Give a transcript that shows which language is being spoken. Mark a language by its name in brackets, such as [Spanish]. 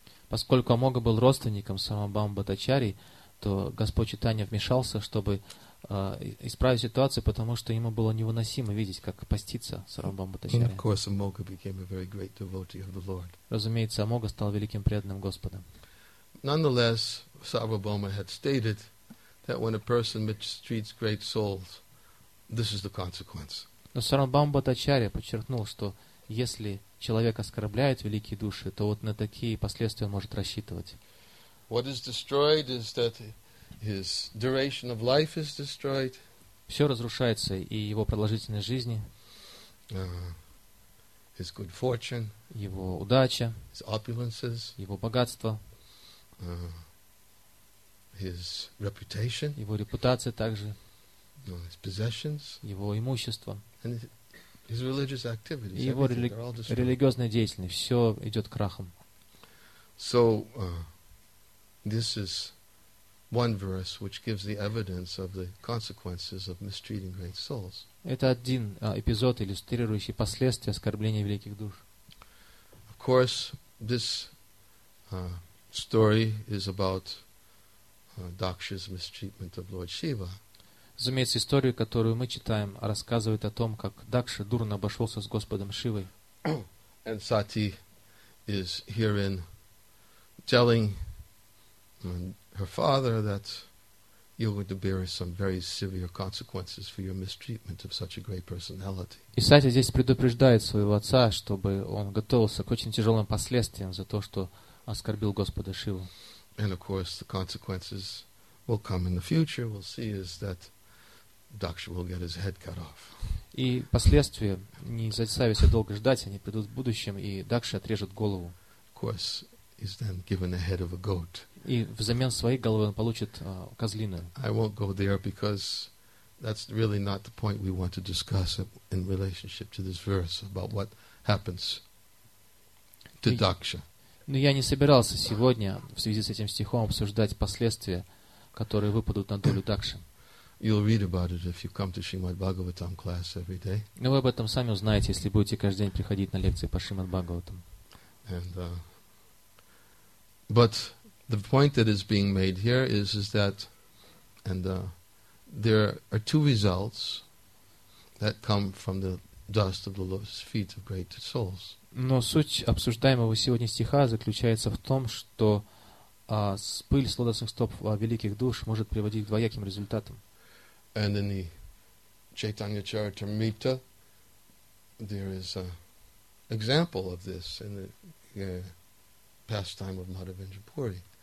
[Russian] Поскольку Мога был родственником Сарвабхаумы Бхаттачарьей, то Господь Чайтанья вмешался, чтобы исправить ситуацию, потому что ему было невыносимо видеть, как постится Сарвабхаума Бхаттачарья. Разумеется, Амога стал великим преданным Господа. [English] Nonetheless, Sarvabhauma had stated that when a person mistreats great souls, this is the consequence. [Russian] Но Сарвабхаума Бхаттачарья подчеркнул, что если человек оскорбляет великие души, то вот на такие последствия он может рассчитывать. [English] What is destroyed is that his duration of life is destroyed. [Russian] Все разрушается, и его продолжительность жизни, [English] his good fortune, [Russian] его удача, [English] his opulences, [Russian] его богатство, [English] his reputation, [Russian] его репутация также, [English] his possessions, [Russian] его имущество, [English] and his religious activities, [Russian] и его религиозная деятельность. Все идет крахом. [English] So, this is one verse which gives the evidence of the consequences of mistreating great souls. [Russian] Это один эпизод, иллюстрирующий последствия оскорбления великих душ. [English] Of course, this story is about Daksha's mistreatment of Lord Shiva. [Russian] Разумеется, историю, которую мы читаем, рассказывает о том, как Дакша дурно обошелся с Господом Шивой. [English] And Sati is herein telling her father that you're going to bear some very severe consequences for your mistreatment of such a great personality. [Russian] И Сати здесь предупреждает своего отца, чтобы он готовился к очень тяжелым последствиям за то, что оскорбил Господа Шиву. [English] And of course, the consequences will come in the future. We'll see is that Daksha will get his head cut off. [Russian] И последствия не заставятся долго ждать, они придут в будущем, и Дакша отрежет голову. [English] Of course, he's then given the head of a goat. [Russian] И взамен своей головы он получит козлиную. [English] I won't go there because that's really not the point we want to discuss in relationship to this verse about what happens to Daksha. [Russian] Но я не собирался сегодня в связи с этим стихом обсуждать последствия, которые выпадут на долю Дакши. [English] You'll read about it if you come to Srimad Bhagavatam class every day. [Russian] Но вы об этом сами узнаете, если будете каждый день приходить на лекции по Шримад Бхагаватам. [English] And but the point that is being made here is that there are two results that come from the dust of the lotus feet of great souls. [Russian] Но суть обсуждаемого сегодня стиха заключается в том, что пыль с лотосных стоп великих душ может приводить к двояким результатам. [English] And in the Chaitanya Charitamrita, there is an example of this in the pastime of Madhavendrapuri.